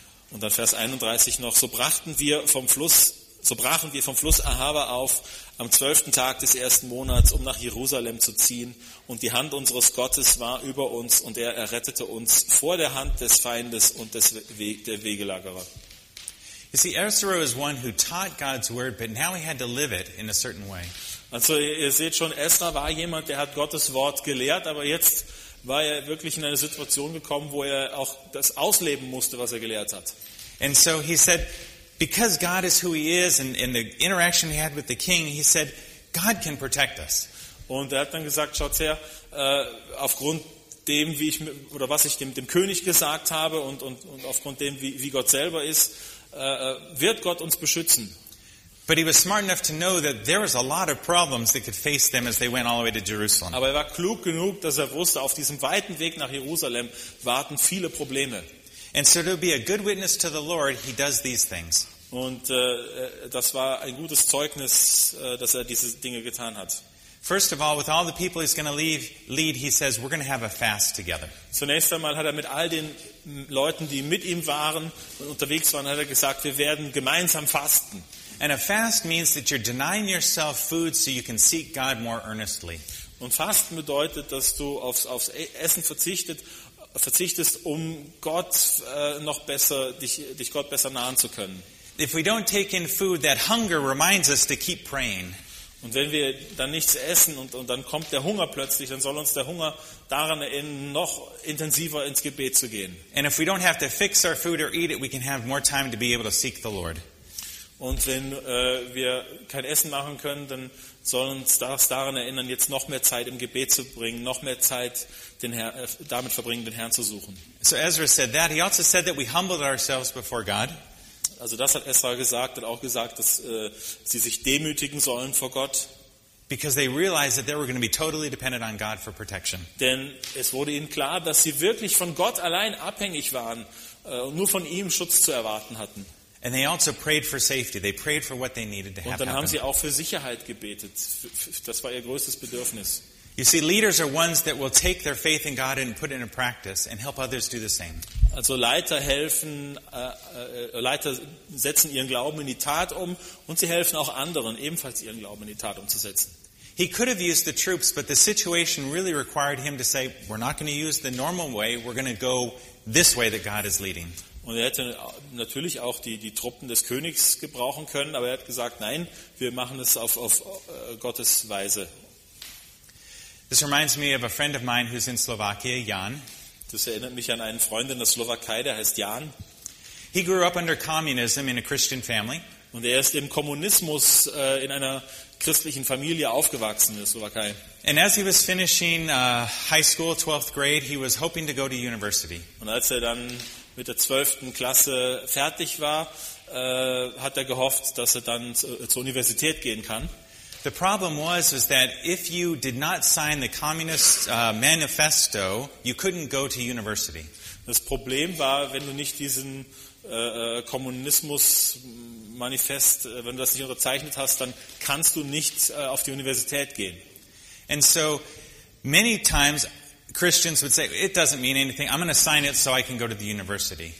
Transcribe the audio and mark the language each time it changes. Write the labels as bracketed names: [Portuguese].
[German] Und dann Vers 31 noch, so brachen wir vom Fluss Ahava auf, am 12. Tag des ersten Monats, um nach Jerusalem zu ziehen. Und die Hand unseres Gottes war über uns und er errettete uns vor der Hand des Feindes und der Wegelagerer. [English] You see, Ezra is one who taught God's word, but now he had to live it in a certain way. [German] Also ihr seht schon, Ezra war jemand, der hat Gottes Wort gelehrt, aber jetzt war er wirklich in eine Situation gekommen, wo er auch das ausleben musste, was er gelehrt hat. [English] And so he said, because God is who he is and the interaction he had with the king, he said, God can protect us. [German] Und er hat dann gesagt, schaut her, aufgrund dem, wie ich, oder was ich dem König gesagt habe und aufgrund dem, wie Gott selber ist, wird Gott uns beschützen. [English] But he was smart enough to know that there was a lot of problems that could face them as they went all the way to Jerusalem. [German] Aber er war klug genug, dass er wusste, auf diesem weiten Weg nach Jerusalem warten viele Probleme. [English] And so to be a good witness to the Lord, he does these things. [German] Und das war ein gutes Zeugnis, dass er diese Dinge getan hat. [English] First of all, with all the people he's going to lead, he says, we're going to have a fast together. [German] Zunächst einmal hat er mit all den Leuten, die mit ihm waren und unterwegs waren, hat er gesagt, wir werden gemeinsam fasten. [English] And a fast means that you're denying yourself food so you can seek God more earnestly. [German] Und Fasten bedeutet, dass du aufs Essen verzichtest, um Gott noch besser, dich Gott besser nahen zu können. [English] If we don't take in food, that hunger reminds us to keep praying. [German] Und wenn wir dann nichts essen und dann kommt der Hunger plötzlich, dann soll uns der Hunger daran erinnern, noch intensiver ins Gebet zu gehen. [English] And if we don't have to fix our food or eat it, we can have more time to be able to seek the Lord. [German] Und wenn wir kein Essen machen können, dann soll uns das daran erinnern, jetzt noch mehr Zeit im Gebet zu bringen, noch mehr Zeit damit verbringen, den Herrn zu suchen. [English] So Ezra said that. He also said that we humbled ourselves before God. [German] Also das hat Esra gesagt und auch gesagt, dass sie sich demütigen sollen vor Gott. [English] Because they realized that they were going to be totally dependent on God for protection. [German] Denn es wurde ihnen klar, dass sie wirklich von Gott allein abhängig waren und nur von ihm Schutz zu erwarten hatten. [English] And they also prayed for safety. They prayed for what they needed to happen. [German] Und dann haben sie auch für Sicherheit gebetet. Das war ihr größtes Bedürfnis. [English] You see, leaders are ones that will take their faith in God and put it into practice and help others do the same. [German] Also Leiter helfen, Leiter setzen ihren Glauben in die Tat um und sie helfen auch anderen, ebenfalls ihren Glauben in die Tat umzusetzen. [English] He could have used the troops, but the situation really required him to say, we're not going to use the normal way, we're going to go this way that God is leading. [German] Und er hätte natürlich auch die Truppen des Königs gebrauchen können, aber er hat gesagt, nein, wir machen es auf Gottes Weise. [English] This reminds me of a friend of mine who's in Slovakia, Jan. [German] Das erinnert mich an einen Freund in der Slowakei, der heißt Jan. [English] He grew up under communism in a Christian family. [German] Und er ist im Kommunismus in einer christlichen Familie aufgewachsen in der Slowakei. [English] And as he was finishing high school, 12th grade, he was hoping to go to university. [German] Und als er dann mit der 12. Klasse fertig war, hat er gehofft, dass er dann zur Universität gehen kann. [English] The problem was that if you did not sign the communist manifesto, you couldn't go to university. [German] Das Problem war, wenn du nicht diesen Kommunismus-Manifest, wenn du das nicht unterzeichnet hast, dann kannst du nicht auf die Universität gehen. [English] And so many times Christians would say, it doesn't mean anything, I'm going to sign it so I can go to the university.